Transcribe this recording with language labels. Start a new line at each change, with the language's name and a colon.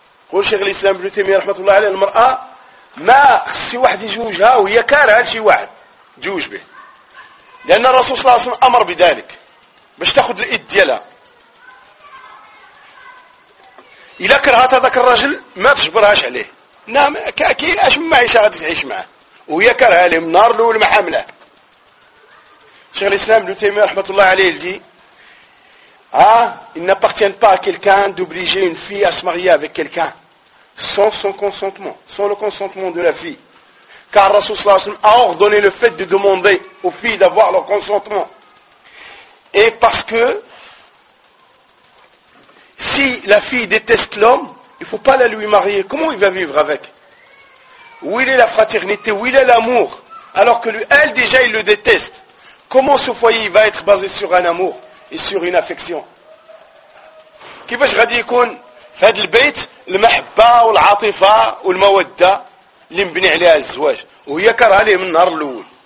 Arabic: Qul cheikh l'islam ibn Taymiyyah rahmatullah alayhi, al-mar'a ما خصي واحد يجوجها وهي كارهه لشي واحد تجوج به، لان الرسول صلى الله عليه وسلم امر بذلك باش تاخذ الاد ديالها. الا كرهت هذاك الرجل ما تجبرهاش عليه، نعم كي اش معيشه غادي تعيش معاه وهي كارهه ليه من نهار الاول ما حاملاه. شيخ الاسلام ابن تيميه رحمه الله عليه قال
French: il n'appartient pas à quelqu'un d'obliger une fille à se marier avec quelqu'un sans son consentement, sans le consentement de la fille. Car le Rasoul sallallahu alayhi wa sallam a ordonné le fait de demander aux filles d'avoir leur consentement. Et parce que si la fille déteste l'homme, il ne faut pas la lui marier. Comment il va vivre avec? Où il est la fraternité? Où il est l'amour? Alors que lui, elle déjà, il le déteste. Comment ce foyer va être basé sur un amour et sur une affection? Qui va se radier comme
Arabic: فهاد البيت المحبة والعاطفة والمودة اللي مبني عليها الزواج وهي كره عليه من النهار الأول.